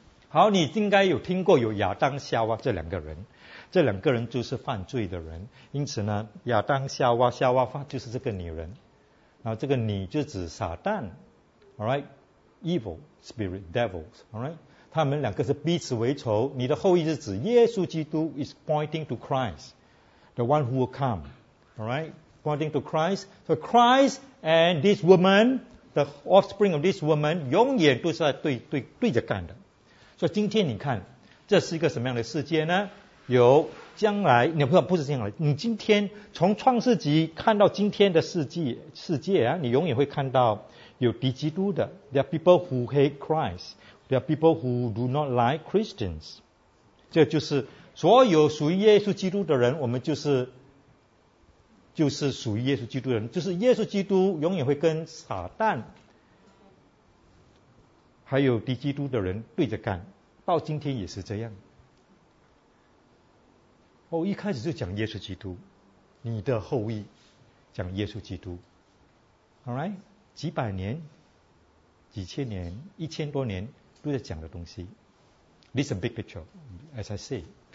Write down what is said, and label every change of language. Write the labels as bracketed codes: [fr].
[zh] 好，你应该有听过有亚当夏娃这两个人，这两个人就是犯罪的人，因此呢，亚当夏娃，夏娃犯就是这个女人，然后这个女就指撒旦 ， [en] all right， evil spirit devils， all right， [zh] 他们两个是彼此为仇，你的后裔是指耶稣基督 [en] is pointing to Christ， the one who will come， all right， pointing to Christ， so Christ and this woman， [zh] the offspring of this woman， 永远都是在对着干的。所以今天你看，这是一个什么样的世界呢？有将来，你不知道不是将来。你今天从创世纪看到今天的世界啊，你永远会看到有敌基督的。 [en] There are people who hate Christ. There are people who do not like Christians. [zh] 这就是所有属于耶稣基督的人，我们就是属于耶稣基督的人，就是耶稣基督永远会跟撒旦。还有敌基督的人对着干，到今天也是这样。哦，一开始就讲耶稣基督，你的后裔讲耶稣基督 ， [en] All right， [zh] 几百年、几千年、一千多年都在讲的东西。 [en] This is a big picture, as I say.